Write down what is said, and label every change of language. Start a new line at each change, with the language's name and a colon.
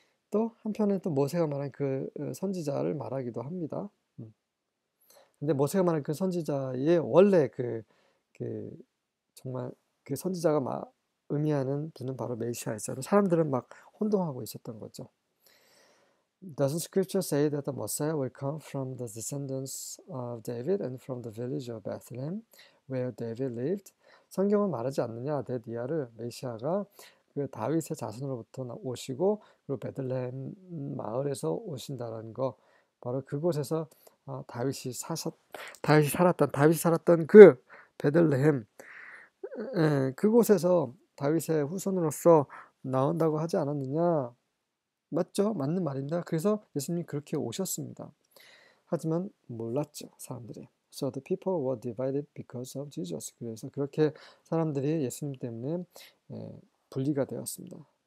Korean: 또 한편에 또 모세가 말한 그 선지자를 말하기도 합니다. 근데 모세가 말한 그 선지자의 원래 정말 그 선지자가 막 의미하는 분은 바로 메시아였어요. 사람들은 막 혼동하고 있었던 거죠.
English: Doesn't scripture say that the Messiah will come from the descendants of David and from the village of Bethlehem where David lived?
Korean: 성경은 말하지 않느냐? 데 디아를 메시아가 그 다윗의 자손으로부터 오시고 그리고 베들레헴 마을에서 오신다라는 거 바로 그곳에서 다윗이 살았던 그 베들레헴 그곳에서 다윗의 후손으로서 나온다고 하지 않았느냐? 맞죠? 맞는 말입니다. 그래서 예수님이 그렇게 오셨습니다. 하지만 몰랐죠, 사람들이.
English: So the people were divided because of Jesus.
Korean: 그래서 그렇게 사람들이 예수님 때문에 분리가 되었습니다.